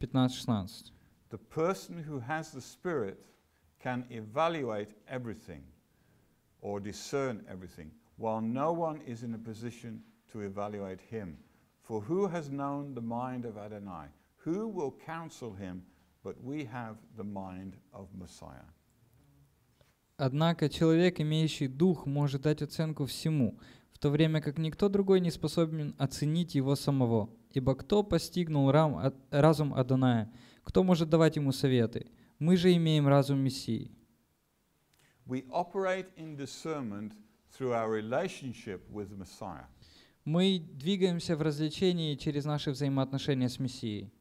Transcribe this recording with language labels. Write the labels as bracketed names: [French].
[English] 15-16. The person who has the Spirit can evaluate everything or discern everything, while no one is in a position to evaluate him. For who has known the mind of Adonai? Who will counsel him? But we have the mind of Messiah. [Russian] Однако человек, имеющий дух, может дать оценку всему, в то время как никто другой не способен оценить его самого. Ибо кто постигнул разум Адоная? Кто может давать ему советы? Мы же имеем разум Мессии. [English] We operate in discernment through our relationship with Messiah. [Russian] Мы двигаемся в развлечении через наши взаимоотношения с Мессией.